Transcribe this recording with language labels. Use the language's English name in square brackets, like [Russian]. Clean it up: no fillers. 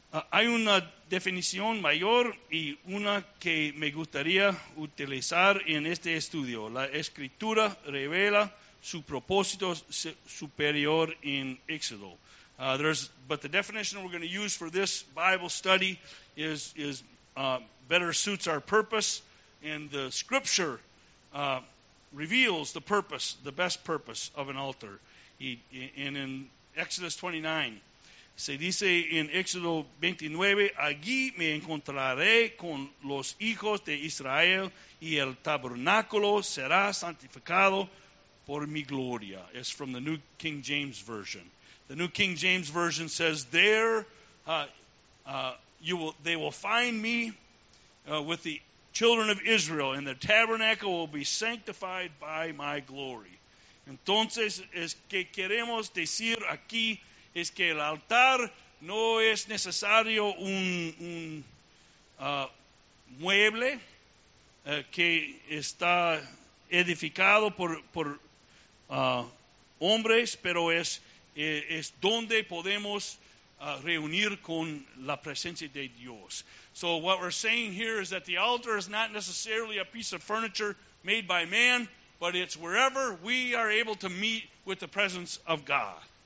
[Spanish] Hay una definición mayor y una que me gustaría utilizar en este estudio. La escritura revela su propósito superior en Éxodo. [English] But the definition we're going to use for this Bible study is better suits our purpose, and the scripture reveals the purpose, the best purpose of an altar. And in Exodus 29, [Spanish] se dice in Éxodo 29, allí me encontraré con los hijos de Israel y el tabernáculo será santificado por mi gloria. [English] It's from the New King James Version. The New King James Version says, "There, they will find me with the children of Israel, and the tabernacle will be sanctified by my glory." [Spanish] Entonces, es que queremos decir aquí es que el altar no es necesario un mueble, que está edificado por hombres, pero es donde podemos reunir con la presencia de Dios. [English] So what we're saying here is that the altar is not necessarily a piece of furniture made by man, but it's wherever we are able to meet with the presence of God.